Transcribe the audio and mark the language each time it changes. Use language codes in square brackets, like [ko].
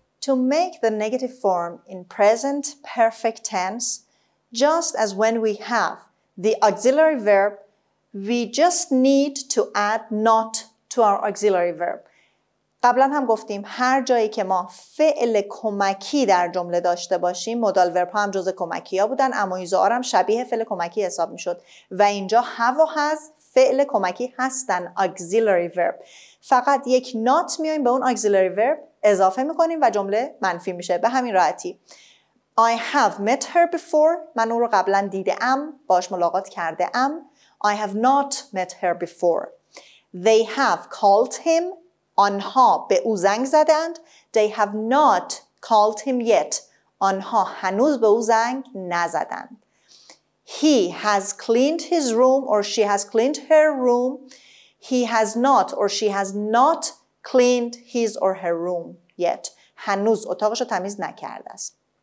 [en] To make the negative form in present perfect tense, just as when we have the auxiliary verb, we just need to add not to our auxiliary verb. [fa] قبلا هم گفتیم هر جایی که ما فعل کمکی در جمله داشته باشیم، مودال ورب ها هم جز کمکی ها بودن، اما ایزار هم شبیه فعل کمکی حساب می شد و اینجا هاو و هاز فعل کمکی هستن، auxiliary verb. فقط یک not می آیم به اون auxiliary verb اضافه می کنیم و جمله منفی میشه به همین راحتی. [en] I have met her before. [fa] من اون رو قبلا دیده ام، باش ملاقات کرده ام. [en] I have not met her before. They have called him. [fa] آنها به او زنگ زدند. [en] They have not called him yet. [fa] آنها هنوز به او زنگ نزدند. [en] He has cleaned his room or she has cleaned her room. He has not or she has not cleaned his or her room yet. [fa] هنوز اتاقش رو تمیز نکرده است.